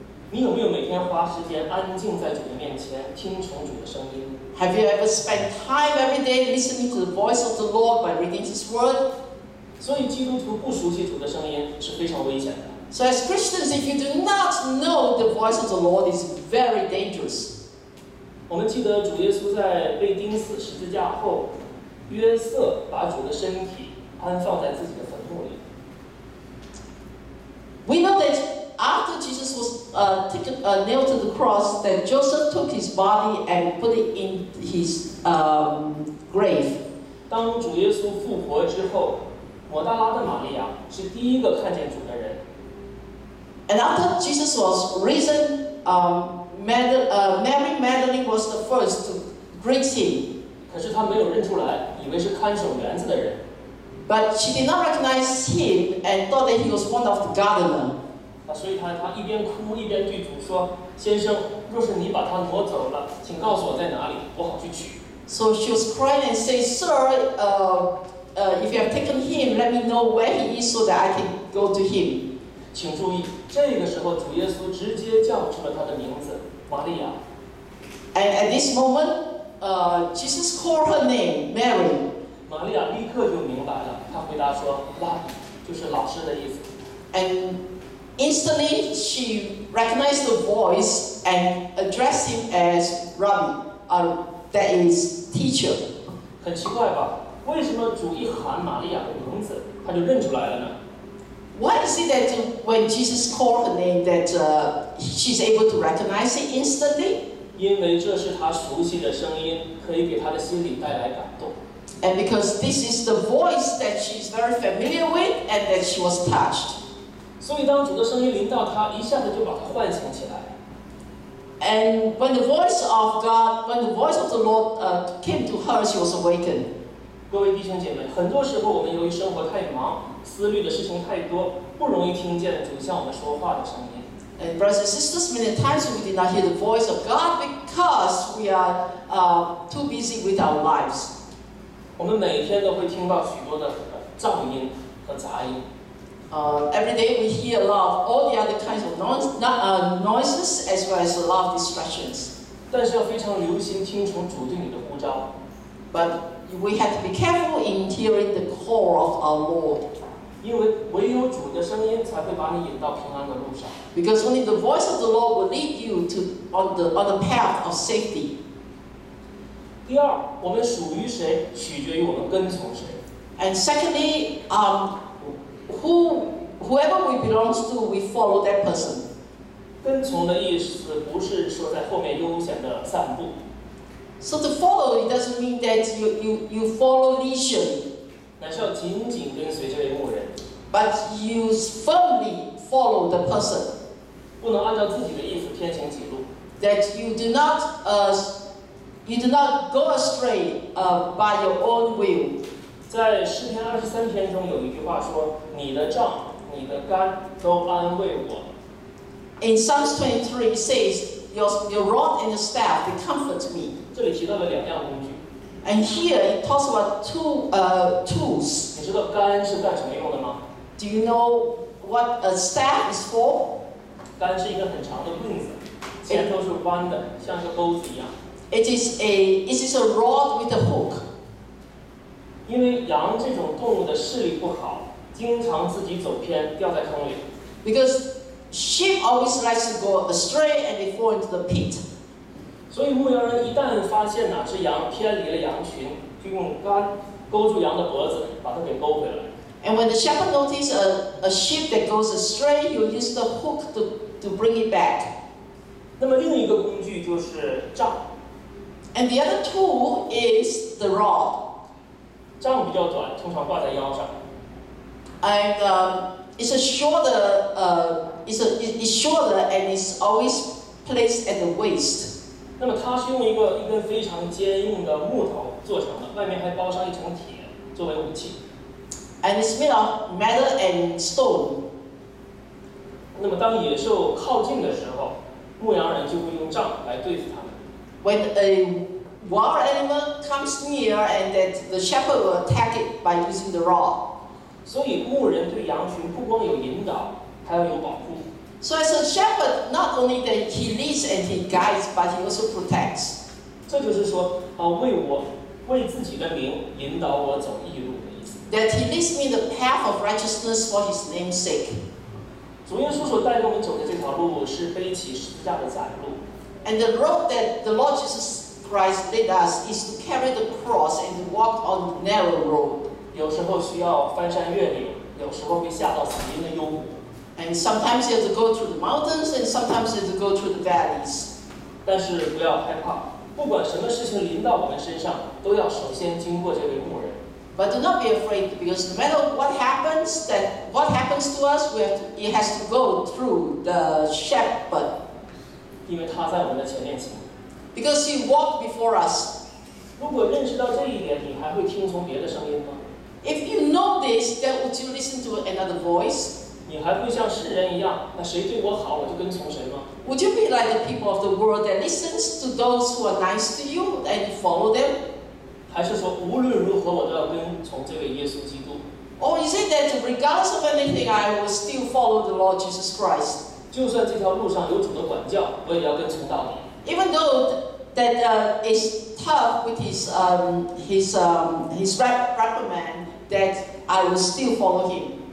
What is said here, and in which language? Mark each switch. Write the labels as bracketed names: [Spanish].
[Chinese] 你有没有每天花时间安静在主的面前听从主的声音？ [English] Have you ever spent time every day listening to the voice of the Lord by reading His word? [Chinese] 所以基督徒不熟悉主的声音是非常危险的。 [English] So as Christians, if you do not know the voice of the Lord, it's very dangerous. [Chinese] 我们记得主耶稣在被钉死十字架后，约瑟把主的身体安放在自己的坟墓里。 [English] We know that after Jesus was nailed to the cross, that Joseph took his body and put it in his grave. [Chinese] 当主耶稣复活之后，抹大拉的玛利亚是第一个看见主的人。 [English] And after Jesus was risen, Mary Magdalene was the first to greet him. [Chinese] 可是她没有认出来，以为是看守园子的人。 [English] But she did not recognize him and thought that he was one of the gardener. [Chinese] 所以她一边哭一边对主说：“先生，若是你把他挪走了，请告诉我在哪里，我好去取。” [English] So she was crying and saying, "Sir, if you have taken him, let me know where he is so that I can go to him." [Chinese] 请注意，这个时候主耶稣直接叫出了他的名字。 [English] And at this moment, Jesus called her name, Mary. [Chinese] 玛利亚立刻就明白了，她回答说 "Rabbi," 就是老师的意思。 [English] And instantly she recognized the voice and addressed him as Rabbi, that is teacher. [Chinese] 很奇怪吧？为什么主一喊玛利亚的名字，她就认出来了呢？ [English] Why is it that when Jesus called her name, that she's able to recognize it instantly? [Chinese] 因为这是她熟悉的声音，可以给她的心里带来感动。 [English] And because this is the voice that she's very familiar with, and that she was touched. [Chinese] 所以当主的声音临到她，一下子就把她唤醒起来。 [English] And when the voice of God, when the voice of the Lord came to her, she was awakened. [Chinese] 各位弟兄姐妹，很多时候我们由于生活太忙，思虑的事情太多，不容易听见主向我们说话的声音。 [English] And brothers and sisters, many times we did not hear the voice of God because we are too busy with our lives. [Chinese] 我们每天都会听到许多的噪音和杂音。 [English] Every day we hear a lot of all the other kinds of noises as well as a lot of distractions. [Chinese] 但是要非常留心听从主对你的呼召。 [English] But we have to be careful in hearing the call of our Lord. [Chinese] 因为唯有主的声音才会把你引到平安的路上。 [English] Because only the voice of the Lord will lead you to on the path of safety. [Chinese] 第二，我们属于谁，取决于我们跟从谁。 [English] And secondly, whoever we belong to, we follow that person. [Chinese] 跟从的意思不是说在后面悠闲的散步。 [English] So to follow, it doesn't mean that you follow leisure. [Chinese] 乃是要紧紧跟随这位牧人。 [English] But you firmly follow the person. [Chinese] 不能按照自己的意思偏行己路。 [English] That you do not go astray by your own will. [Chinese] 在诗篇二十三篇中有一句话说：“你的杖，你的竿，都安慰我。” [English] In Psalms 23, it says, "Your rod and your staff, they comfort me." [Chinese] 这里提到了两样工具。 [English] And here it talks about two tools. [Chinese] 你知道竿是干什么用的吗 [English] ？Do you know what a staff is for? [Chinese] 竿是一个很长的棍子。前头是弯的，像个钩子一样。 [English] It is a rod with a hook. [Chinese] 因为羊这种动物的视力不好，经常自己走偏，掉在坑里。 [English] Because sheep always likes to go astray and they fall into the pit. [Chinese] 所以牧羊人一旦发现哪只羊偏离了羊群，就用竿勾住羊的脖子，把它给勾回来。 [English] And when the shepherd notices a sheep that goes astray, he'll use the hook to bring it back. [Chinese] 那么另一个工具就是杖。 [English] And the other tool is the rod. [Chinese] 杖比较短，通常挂在腰上。 [English] And it's shorter and it's always placed at the waist. [Chinese] 那么它是用一根非常坚硬的木头做成的，外面还包上一层铁作为武器。 [English] And it's made of metal and stone. [Chinese] 那么当野兽靠近的时候，牧羊人就会用杖来对付他们。 [English] When a wild animal comes near, and that the shepherd will attack it by using the rod. [Chinese] 所以牧人对羊群不光有引导，还要有保护。 [English] So as a shepherd, not only that he leads and he guides, but he also protects. [Chinese] 这就是说，为自己的名引导我走义路的意思。 [English] That he leads me the path of righteousness for his name's sake. [Chinese] 主耶稣所带领我们走的这条路是背起十字架的载路。 [English] And the road that the Lord Jesus Christ led us is to carry the cross and walk on the narrow road. [Chinese] 有时候需要翻山越岭，有时候会下到死荫的幽谷。 [English] And sometimes you have to go through the mountains, and sometimes you have to go through the valleys. [Chinese] 但是不要害怕，不管什么事情临到我们身上，都要首先经过这位牧人。 [English] But do not be afraid, because no matter what happens to us, it has to go through the shepherd. [Chinese] 因为他在我们的前面行。 [English] Because he walked before us. [Chinese] 如果认识到这一点，你还会听从别的声音吗？ [English] If you know this, then would you listen to another voice? [Chinese] 你还会像世人一样，那谁对我好，我就跟从谁吗？ [English] Would you be like the people of the world that listens to those who are nice to you and you follow them? [Chinese] 还是说无论如何我都要跟从这位耶稣基督。 [English] Oh, is it that regardless of anything, I will still follow the Lord Jesus Christ? [Chinese] 就算这条路上有主的管教，我也要跟从到底。 [English] Even though that is tough with his reprimand, that I will still follow him.